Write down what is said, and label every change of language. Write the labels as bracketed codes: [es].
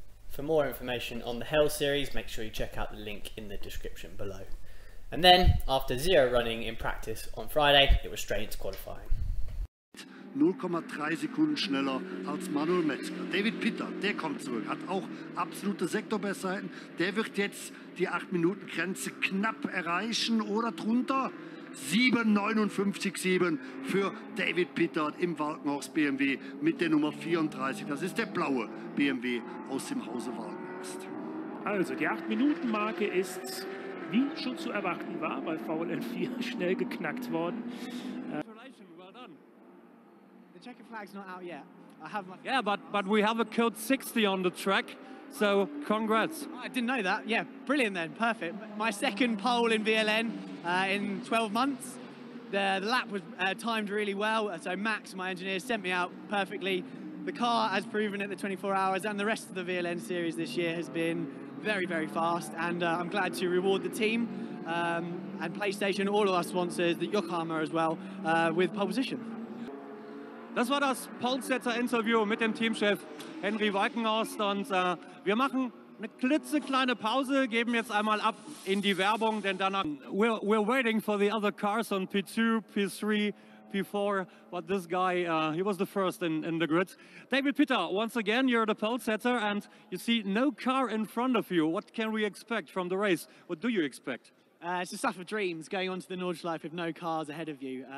[en] For more information on the Hell series, make sure you check out the link in the description below. And then, after zero running in practice on Friday, it was straight into qualifying. [de] 0,3 Sekunden schneller als Manuel Metzger. David Pittard, der kommt zurück, hat auch absolute Sektorbestzeiten. Der wird jetzt die 8-Minuten-Grenze knapp erreichen oder drunter. 7,59,7 für David Pittard im Walkenhorst BMW mit der Nummer 34. Das ist der blaue BMW aus dem Hause Walkenhorst. Also, die 8-Minuten-Marke ist, wie schon zu erwarten war, bei VLN 4 schnell geknackt worden. [en] Congratulations, well done. The checkered flag's not out yet. I have my... Yeah, but we have a code 60 on the track, so congrats. I didn't know that. Yeah, brilliant then, perfect. My second pole in VLN. In 12 months, the lap was timed really well, so Max, my engineer, sent me out perfectly. The car, as proven at the 24 hours and the rest of the VLN series this year, has been very, very fast, and I'm glad to reward the team and PlayStation, all of our sponsors, the Yokohama as well, with pole position. [de] Das war das Pole-Setter-Interview mit dem Teamchef Henry Walkenhorst, und wir machen eine klitzekleine Pause, geben jetzt einmal ab in die Werbung, denn danach... [en] We're waiting for the other cars on P2, P3, P4, but this guy, he was the first in the grid. David Pittard, once again, you're the pole setter, and you see no car in front of you. What can we expect from the race? What do you expect? It's a stuff of dreams, going onto the Nordschleife with no cars ahead of you.